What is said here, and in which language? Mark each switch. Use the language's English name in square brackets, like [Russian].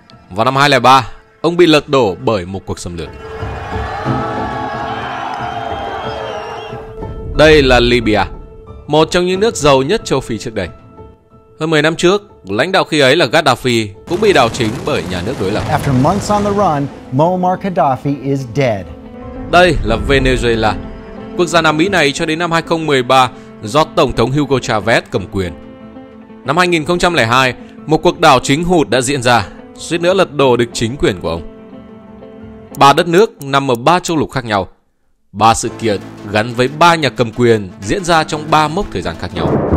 [Vietnamese] Vào năm 2003, ông bị lật đổ bởi một cuộc xâm lược. Đây là Libya, một trong những nước giàu nhất châu Phi trước đây. Hơn 10 năm trước, lãnh đạo khi ấy là Gaddafi cũng bị đảo chính bởi nhà nước đối lập. [English] After months on the run, Muammar Gaddafi is dead. [Vietnamese] Đây là Venezuela, quốc gia Nam Mỹ này cho đến năm 2013 do Tổng thống Hugo Chavez cầm quyền. Năm 2002, một cuộc đảo chính hụt đã diễn ra, suýt nữa lật đổ được chính quyền của ông. Ba đất nước nằm ở ba châu lục khác nhau, ba sự kiện gắn với ba nhà cầm quyền diễn ra trong ba mốc thời gian khác nhau.